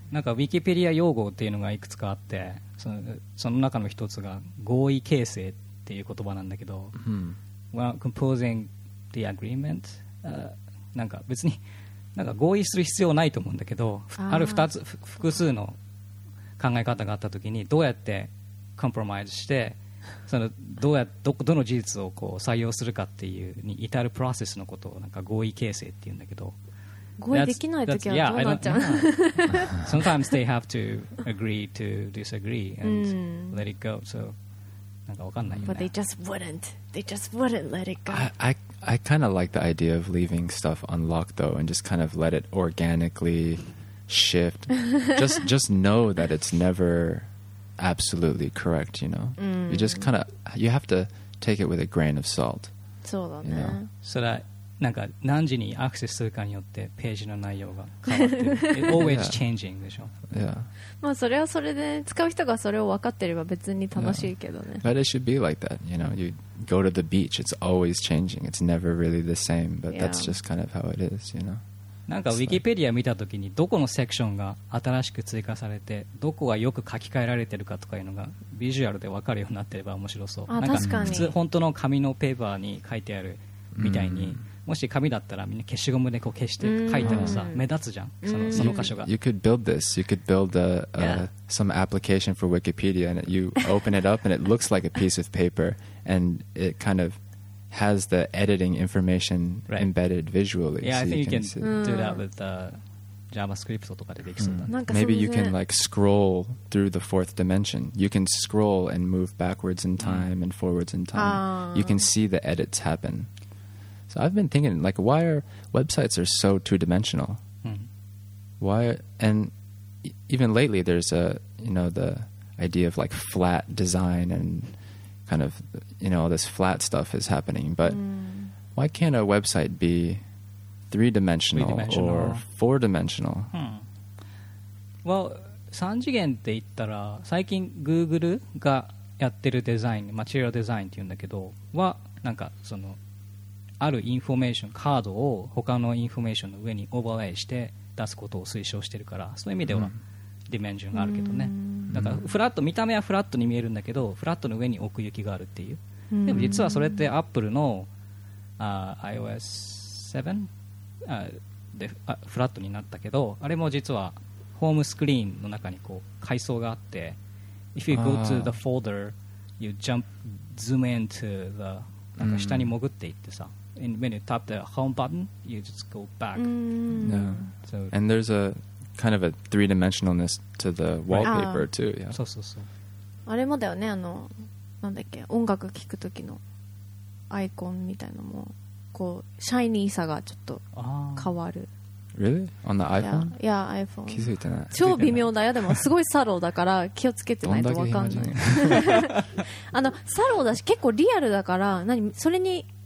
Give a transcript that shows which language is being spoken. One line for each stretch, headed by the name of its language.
Japanese: なんかウィキペディア用語っていうのがいくつかあって、その中の一つが合意形成っていう言葉なんだけど、
English: Well, composing the agreement、
Japanese: なんか別になんか合意する必要ないと思うんだけど、ある二つ複数の考え方があった時にどうやってコンプロマイズして、そのどの事実をこう採用するかっていうに至るプロセスのことをなんか合意形成っていうんだけど、合意できないときはどうなっちゃう、
English: Sometimes they have to agree to disagree and let it go.
Japanese: So, なんかわかんないよね。
English: But they just wouldn't. They just wouldn't let it go. I kind of like the idea of leaving stuff unlocked though and just kind of let it organically shift. just know that it's neverAbsolutely correct, you know. You just kind of you have to take it with a grain of salt.
Japanese: そうだね。
English: You know?
Japanese: So that, なんか何時にアクセスするかによってページの内容が変わってる。
English: It's always changing,
Japanese: でしょ。
English: Yeah.
Japanese: まあそれはそれで使う人がそれを分かってれば別に楽しいけどね。
English: But it should be like that, you know. You go to the beach. It's always changing. It's never really the same. But that's just kind of how it is, you know.
Japanese: なんかウィキペディア見たときにどこのセクションが新しく追加されてどこがよく書き換えられてるかとかいうのがビジュアルで分かるようになってれば面白そう。あ、なんか確かに普通本当の紙のペーパーに書いてあるみたいに、もし紙だったらみんな消しゴムでこう消して書いてもさ目立つじゃん、その箇所が。
English: You could build this. You could build some application for Wikipedia and you open it up and it looks like a piece of paper and it kind ofhas the editing information embedded visually. Yeah, I think you can do that with JavaScript
Japanese: とかでできそうだ。
English: Maybe you can like scroll through the fourth dimension. You can scroll and move backwards in time and forwards in time. You can see the edits happen. So I've been thinking, like, why are websites are so two-dimensional? Why are, and even lately there's a, you know, the idea of like flat design andkind of, you know, all this flat stuff is happening, but why can't a website be three-dimensional or four-dimensional?
Japanese: Well, 三次元って言ったら最近 Google がやってるデザイン、マチュアルデザインって言うんだけど、はなんかそのあるインフォメーションカードを他のインフォメーションの上にオーバーレイして出すことを推奨してるから、そういう意味ではディメンジョンがあるけどね。だからフラット、見た目はフラットに見えるんだけどフラットの上に奥行きがあるっていう。でも実はそれってアップルの iOS 7 でフラットになったけど、あれも実はホームスクリーンの中にこう階層があって、
English: If you go to the folder you jump zoom into the
Japanese: なんか下に潜っていってさ、
English: And when you tap the home button you just go back、 So, and there's aKind of a three-dimensionalness to the wallpaper too. Yeah.
Japanese: そうそうそう。あれもだよね。あのなんだっけ、音楽聴くときのアイコンみたいのもこうシャイニーさがちょっと変わる。
English: Really? On the iPhone? Yeah, iPhone.
Japanese: 気づいてない。超微妙だよ。でもすごいサローだから気をつけてないとわかんない。あのサローだし結構リアルだから、何それに